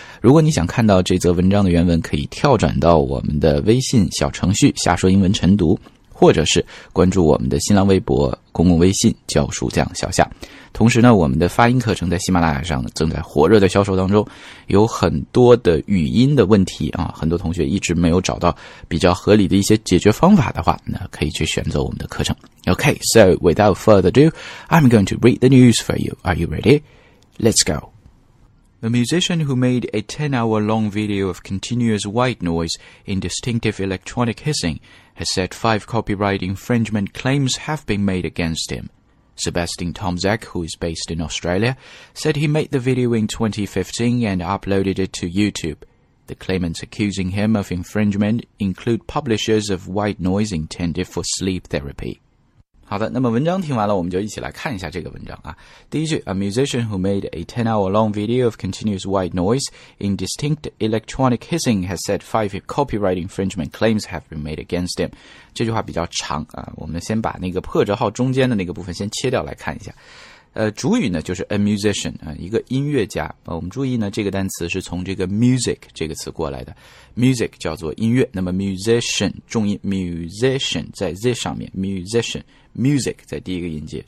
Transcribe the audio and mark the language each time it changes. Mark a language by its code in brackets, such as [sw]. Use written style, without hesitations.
[zh] 如果你想看到这则文章的原文，可以跳转到我们的微信小程序下说英文晨读，或者是关注我们的新浪微博公共微信教书匠小夏。同时呢，我们的发音课程在喜马拉雅上正在火热的销售当中，有很多的语音的问题啊，很多同学一直没有找到比较合理的一些解决方法的话，那可以去选择我们的课程。 [en] OK, so without further ado, I'm going to read the news for you. Are you ready? Let's go. The musician who made a 10-hour long video of continuous white noise in distinctive electronic hissing has said 5 copyright infringement claims have been made against him. Sebastian Tomczak, who is based in Australia, said he made the video in 2015 and uploaded it to YouTube. The claimants accusing him of infringement include publishers of white noise intended for sleep therapy. [zh] 好的，那么文章听完了，我们就一起来看一下这个文章啊。 [en] 第一句 ,A musician who made a 10-hour long video of continuous white noise in distinct electronic hissing has said 5 copyright infringement claims have been made against him. [zh] 这句话比较长啊，我们先把那个破折号中间的那个部分先切掉来看一下。主语呢就是 a musician, 一个音乐家。我们注意呢，这个单词是从这个 music 这个词过来的。 music 叫做音乐，那么 musician, 重音 musician 在 z 上面 ,musician, music 在第一个音节。